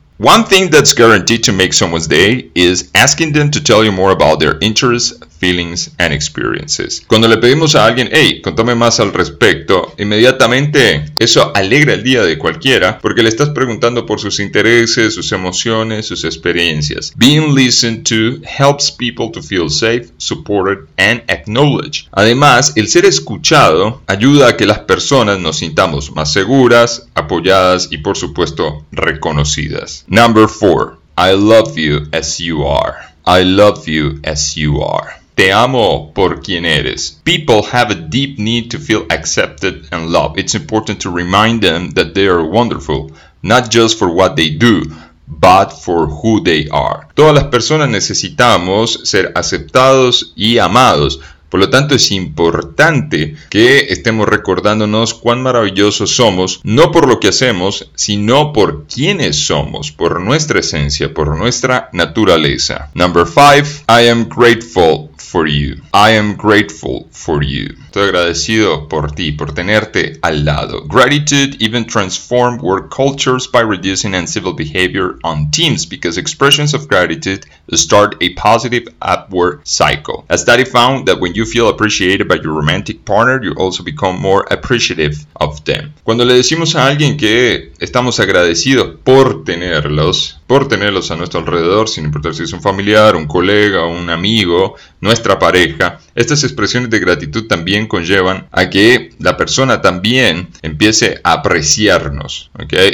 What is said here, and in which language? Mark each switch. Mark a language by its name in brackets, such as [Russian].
[English] One thing that's guaranteed to make someone's day is asking them to tell you more about their interests, feelings, and experiences. [Spanish] Cuando le pedimos a alguien, hey, contame más al respecto, inmediatamente eso alegra el día de cualquiera porque le estás preguntando por sus intereses, sus emociones, sus experiencias. [English] Being listened to helps people to feel safe, supported, and acknowledged. [Spanish] Además, el ser escuchado ayuda a que las personas nos sintamos más seguras, apoyadas y, por supuesto, reconocidas. [English] Number four. I love you as you are. I love you as you are. [Spanish] Te amo por quien eres. [English] People have a deep need to feel accepted and loved. It's important to remind them that they are wonderful, not just for what they do, but for who they are. [Spanish] Todas las personas necesitamos ser aceptados y amados. Por lo tanto, es importante que estemos recordándonos cuán maravillosos somos, no por lo que hacemos, sino por quiénes somos, por nuestra esencia, por nuestra naturaleza. [English] Number five, I am grateful for you. I am grateful for you. [Spanish] Estoy agradecido por ti, por tenerte al lado. [English] Gratitude even transformed work cultures by reducing uncivil behavior on teams because expressions of gratitude start a positive upward cycle. A study found that when you feel appreciated by your romantic partner, you also become more appreciative of them. [Spanish] Cuando le decimos a alguien que estamos agradecidos por tenerlos a nuestro alrededor, sin importar si es un familiar, un colega, un amigo, nuestra pareja, estas expresiones de gratitud también conllevan a que la persona también empiece a apreciarnos. ¿Okay?